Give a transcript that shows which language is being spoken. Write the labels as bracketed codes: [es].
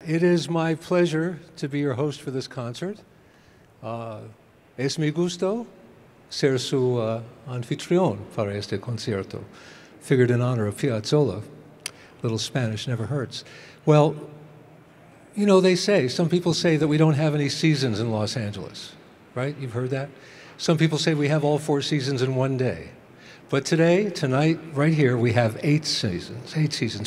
[en] It is my pleasure to be your host for this concert. [es] Es mi gusto ser su anfitrión para este concierto. [en] Figured in honor of Piazzolla. Little Spanish never hurts. Well, you know, they say, some people say that we don't have any seasons in Los Angeles, right? You've heard that? Some people say we have all four seasons in one day. But today, tonight, right here, we have eight seasons.